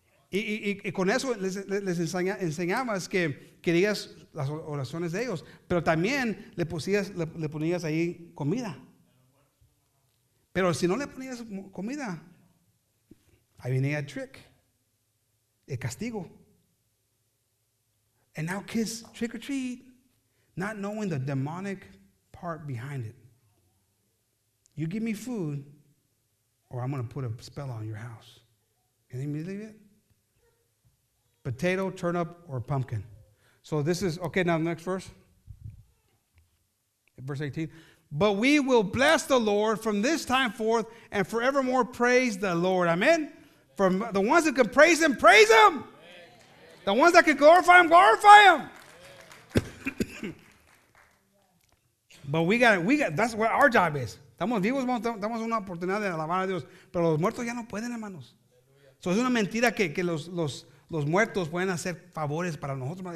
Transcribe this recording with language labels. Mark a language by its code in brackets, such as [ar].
[es] Y con eso les enseñabas que querías las oraciones de ellos, pero también le ponías ahí comida. Pero si no le ponías comida, ahí venía el trick, el castigo. [en] And now kids trick or treat, not knowing the demonic part behind it. You give me food, or I'm going to put a spell on your house. Can you believe it? Potato, turnip, or pumpkin. So this is, okay, now the next verse. Verse 18. But we will bless the Lord from this time forth and forevermore praise the Lord. Amen? From the ones that can praise Him, praise Him. The ones that can glorify Him, glorify Him. But we got, that's what our job is. [es] Estamos vivos, damos una oportunidad de alabar a Dios. Pero los muertos ya no pueden, hermanos. So es una mentira que los muertos pueden hacer favores para nosotros.